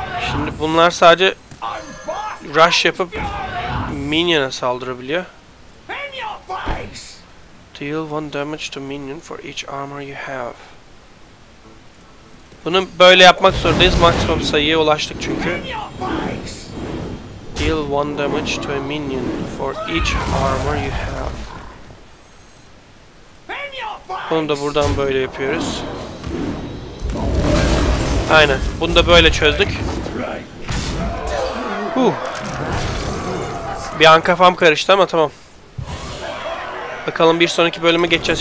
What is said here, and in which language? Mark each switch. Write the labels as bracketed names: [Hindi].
[Turkish] Şimdi bunlar sadece rush yapıp minion'a saldırabiliyor. [English] Deal 1 damage to minion for each armor you have. [Turkish] Bunu böyle yapmak zorundayız. Maksimum sayıya ulaştık çünkü. [English] Deal 1 damage to a minion for each armor you have. [Turkish] Bunu da buradan böyle yapıyoruz. Aynen. Bunu da böyle çözdük. Bir an kafam karıştı ama tamam. Bakalım bir sonraki bölüme geçeceğiz.